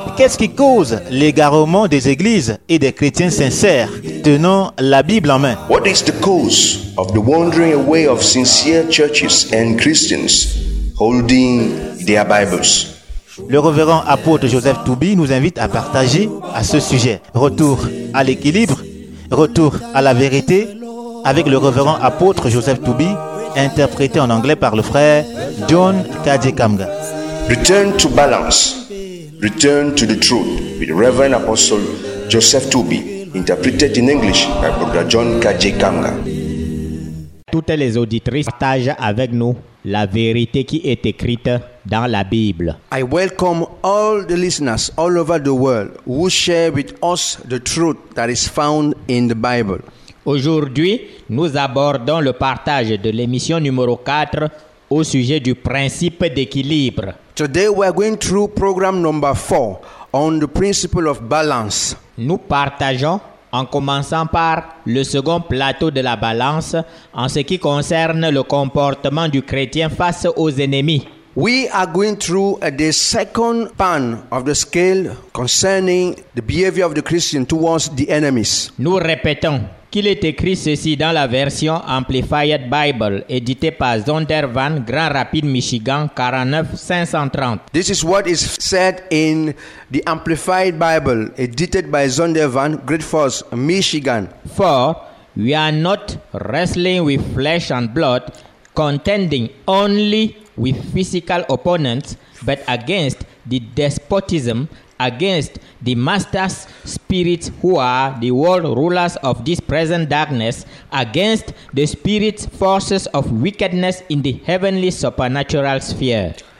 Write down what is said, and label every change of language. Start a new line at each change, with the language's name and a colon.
French: Qu'est-ce qui cause l'égarement des églises et des chrétiens sincères tenant la Bible en main?
English: What is the cause of the wandering away of sincere churches and Christians holding their Bibles?
French: Le révérend apôtre Joseph Toubi nous invite à partager à ce sujet. Retour à l'équilibre, retour à la vérité avec le révérend apôtre Joseph Toubi, interprété en anglais par le frère John Kadjekamga.
English: Return to balance. Return to the truth with Reverend Apostle Joseph Toubi, interpreted in English by Brother John Kadjekamga.
French: Toutes les auditrices partagent avec nous la vérité qui est écrite dans la Bible.
English: I welcome all the listeners all over the world who share with us the truth that is found in the Bible.
French: Aujourd'hui, nous abordons le partage de l'émission numéro 4 au sujet du principe d'équilibre.
English: Today we are going through program number 4 on the principle of balance.
French: Nous partageons en commençant par le second plateau de la balance en ce qui concerne le comportement du chrétien face aux ennemis.
English: We are going through the second pan of the scale concerning the behavior of the Christian towards the enemies.
French: Nous répétons qu'il est écrit ceci dans la version Amplified Bible, éditée par Zondervan, Grand Rapids, Michigan, 49-530.
English: This is what is said in the Amplified Bible, edited by Zondervan, Great Falls, Michigan. For we are not wrestling with flesh and blood, contending only with physical opponents, but against the despotism, against the master spirits who are the world rulers of this present darkness, against the spirit forces of wickedness in the heavenly supernatural sphere.